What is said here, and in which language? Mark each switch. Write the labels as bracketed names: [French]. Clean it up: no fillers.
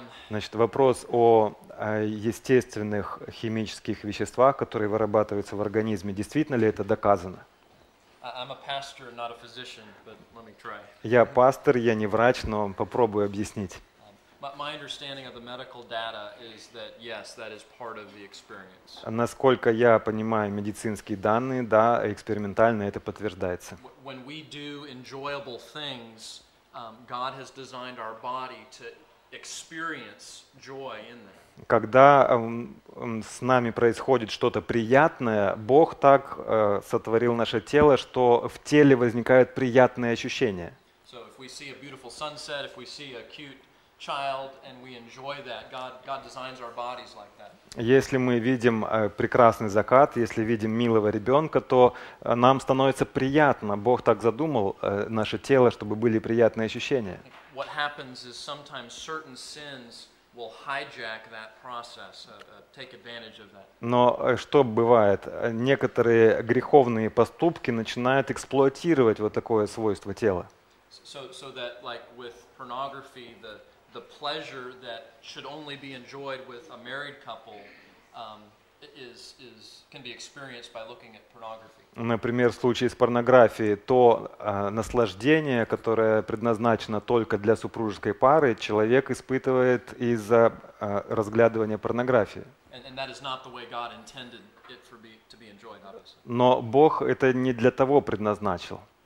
[Russian] Значит, вопрос о естественных химических веществах, которые вырабатываются в организме, действительно ли это доказано? [English] I'm a pastor, not a physician, but let me try. [Russian] Я пастор, я не врач, но попробую объяснить. [English] My understanding of the medical data is that yes, that is part of the experience. [Russian] Насколько я понимаю медицинские данные, да, экспериментально это подтверждается. [English] When we do enjoyable things, God has designed our body to experience joy in them. [Russian] Когда с нами происходит что-то приятное, Бог так сотворил наше тело, что в теле возникают приятные ощущения. [English] So if we see a beautiful sunset, if we see a cute child and we enjoy that. God designs our bodies like that. [Russian] Если мы видим прекрасный закат, если видим милого ребенка, то нам становится приятно. Бог так задумал наше тело, чтобы были приятные ощущения. [English] What happens is sometimes certain sins will hijack that process, take advantage of that. [Russian] Но что бывает? Некоторые греховные поступки начинают эксплуатировать вот такое свойство тела. [English] So that like with pornography, the pleasure that should only be enjoyed with a married couple is can be experienced by looking at pornography. [Russian] Например, в случае с порнографией, то наслаждение, которое предназначено только для супружеской пары, человек испытывает из-за разглядывания порнографии. [English] And that is not the way God intended it for be to be enjoyed, obviously. [Russian] Но Бог это не для того предназначил.